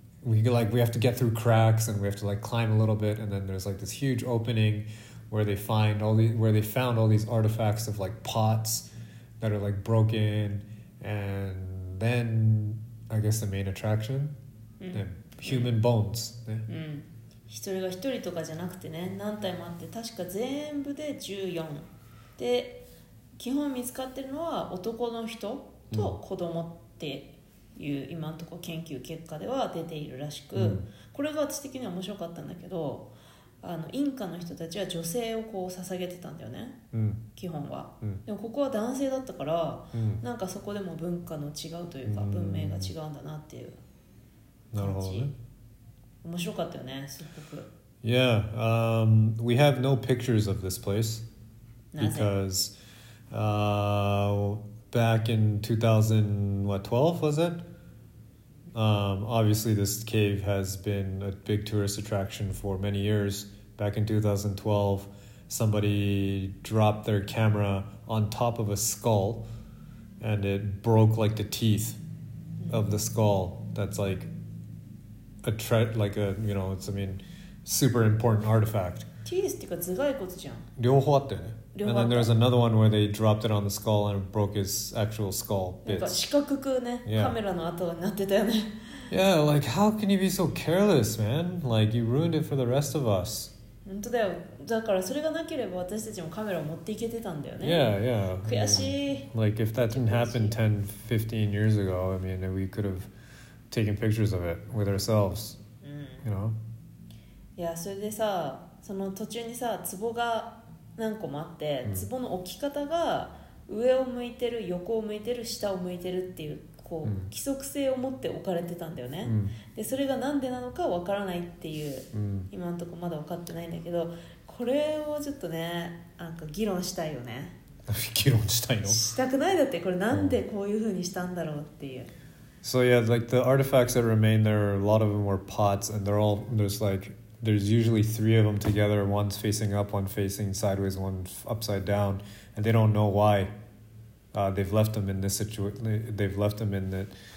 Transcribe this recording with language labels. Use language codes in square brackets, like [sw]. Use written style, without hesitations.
[en] We have to get through cracks and we have to like climb a little bit. And then there's like this huge opening where they find all the, where they found all these artifacts of like pots that are like broken and... Then, I guess the main attraction,、human bones. [ja] 一人が一人とかじゃなくてね、何体もあって、確か全部で14。で、基本見つかってるのは男の人と子供っていう、今のところ研究結果では出ているらしく、これが私的には面白かったんだけど、あのインカの人たちは女性をこう捧げてたんだよね、基本は、でもここは男性だったから、なんかそこでも文化の違うというか、文明が違うんだなっていう感じ。なるほどね。面白かったよね、すっごく。 [en] Yeah, we have no pictures of this place. Because、back in 2012 was it? Obviously this cave has been a big tourist attraction for many years. Back in 2012, somebody dropped their camera on top of a skull and it broke like the teeth of the skull. That's like a you know, it's, I mean, super important artifact. Teeth [ja] っていうか頭蓋骨じゃん。両方あったよね。 [en] And then there's another one where they dropped it on the skull and broke his actual skull bits. [ja] 四角くね、カメラの跡になってたよね。 [en] Yeah, like, how can you be so careless, man? Like, you ruined it for the rest of us. [ja] 本当だよ。だからそれがなければ私たちもカメラを持っていけてたんだよね。 [en] Yeah, yeah. [ja] 悔しい。 [en] Like, if that didn't happen 10, 15 years ago, I mean, we could have taken pictures of it with ourselves. You know? [ja] いや、それでさ、その途中にさ、壺が何個もあって、壺の置き方が上を向いてる、横を向いてる、下を向いてるっていう。こう規則性を持って置かれてたんだよね、でそれがなんでなのかわからないっていう、今のところまだ分かってないんだけど、これをちょっとね、なんか議論したいよね。議論したいの？したくない。だってこれなんでこういう風にしたんだろうっていう。 [en] So yeah, like the artifacts that remain there, a lot of them were pots, and they're all, there's like, there's usually three of them together, one's facing up, one facing sideways, one upside down, and they don't know why. They've left them in this situation. They've left them in the,